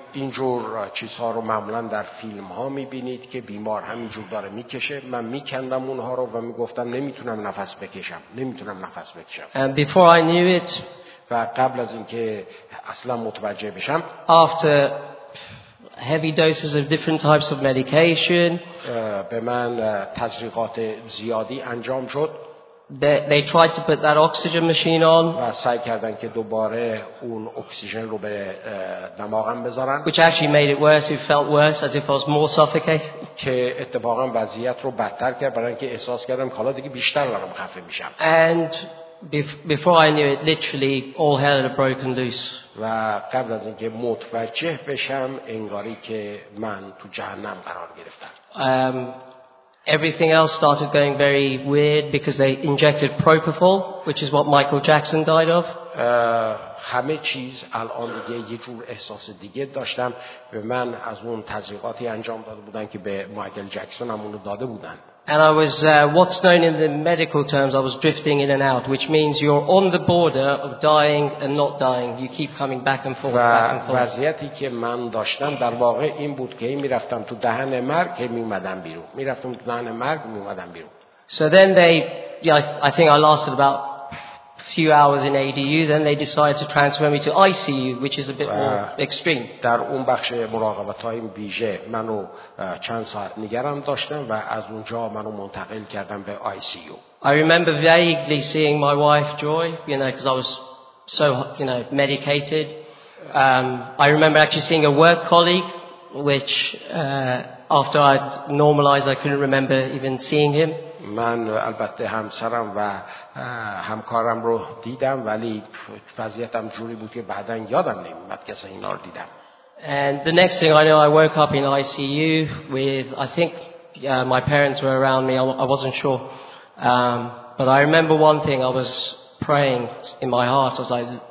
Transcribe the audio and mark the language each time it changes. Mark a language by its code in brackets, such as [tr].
[fa] اینجور چیزها رو معمولا در فیلم ها میبینید که بیمار همینجور داره میکشه. من میکندم اونها رو و میگفتم نمیتونم نفس بکشم. [en] And before I knew it, [fa] و قبل از اینکه اصلا متوجه بشم, [en] after heavy doses of different types of medication, [fa] به من تزریقات زیادی انجام شد. [en] They tried to put that oxygen machine on. [fa] و سعی کردن که دوباره اون اکسیژن رو به دماغم بذارن. [en] Which actually made it worse. It felt worse, as if I was more suffocating. [fa] که اتفاقا وضعیت رو بدتر کرد برای اینکه احساس کردم که حالا دیگه بیشتر دارم خفه میشم. [en] And before I knew it, literally all hell had broken loose. [fa] و قبل از اینکه متوجه بشم انگاری که من تو جهنم قرار گرفتم. [en] Everything else started going very weird because they injected propofol, which is what Michael Jackson died of. [fa] همه چیز الان دیگه یه جور احساس دیگه داشتم و من از اون تزریقاتی انجام داده بودن که به مایکل جکسون هم اونو داده بودن. [en] And I was what's known in the medical terms, I was drifting in and out, which means you're on the border of dying and not dying. You keep coming back and forth, [fa] وضعیتی که من داشتم در واقع این بود که میرفتم تو دهن مرگ میومدم بیرون. میرفتم تو دهن مرگ میومدم بیرون. [en] So then they, I think I lasted about few hours in ADU, then they decided to transfer me to ICU, which is a bit more extreme. [fa] در اون بخش مراقبت‌های ویژه منو چند ساعت نگران داشتن و از اونجا منو منتقل کردن به ICU. [en] I remember vaguely seeing my wife Joy, you know, because I was so, you know, medicated. I remember actually seeing a work colleague, which after I'd normalized, I couldn't remember even seeing him. [fa] من البته همسرم و همکارم رو دیدم ولی وضعیتم جوری بود که بعداً یادم نمیاد که اینا رو دیدم. [en] And the next thing I know, I woke up in ICU with, I think my parents were around me, I wasn't sure. But I remember one thing, I was praying in my heart as I